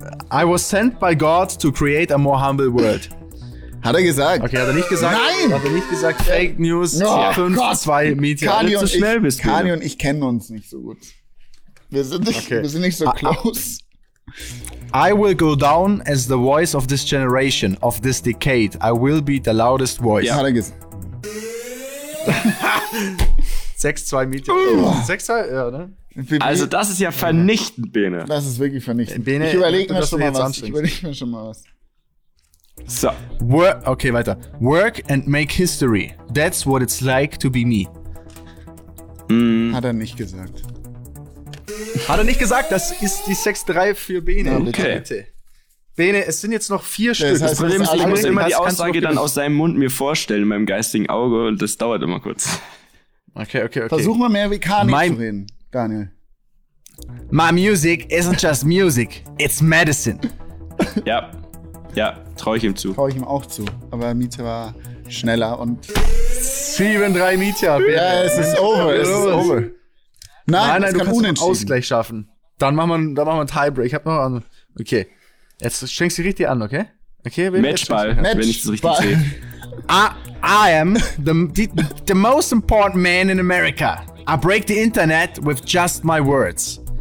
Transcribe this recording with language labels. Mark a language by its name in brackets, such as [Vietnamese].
[English] I was sent by God to create a more humble world. [German] Hat er gesagt. Okay, hat er nicht gesagt. Nein! Hat er nicht gesagt, Fake News, 5-2, Media. Kali und schnell ich, bist du. Kali und ich kennen uns nicht so gut. Wir sind nicht so close. [English] I will go down as the voice of this generation, of this decade. I will be the loudest voice. [German] Ja, hat er gesagt. 6-2 Meteor. 6-2, ja, ne? Also das ist ja vernichtend, Bene. Das ist wirklich vernichtend. Bene, ich überlege mir schon mal was. [English] So. [German] Weiter. [English] Work and make history. That's what it's like to be me. [German] Hat er nicht gesagt. Hat er nicht gesagt, das ist die 6-3 für Bene. Okay. Bitte. Bene, es sind jetzt noch 4 Stück. Das heißt, Problem ist, ich muss immer die Aussage dann aus seinem Mund mir vorstellen, in meinem geistigen Auge, und das dauert immer kurz. Okay. Versuch mal mehr wie Kani zu reden, Daniel. [English] My music isn't just music, it's medicine. [German] Ja, trau ich ihm zu. Trau ich ihm auch zu, aber Miete war schneller und... 7-3 Miete, Bene. Ja, es ist over, Nein, du kannst einen Ausgleich schaffen. Dann machen wir einen Tiebreak. Ich hab noch einen. Okay. Jetzt schenkst du dich richtig an, okay? Matchball, wenn ich das richtig sehe. [English] I am the most important man in America. I break the internet with just my words.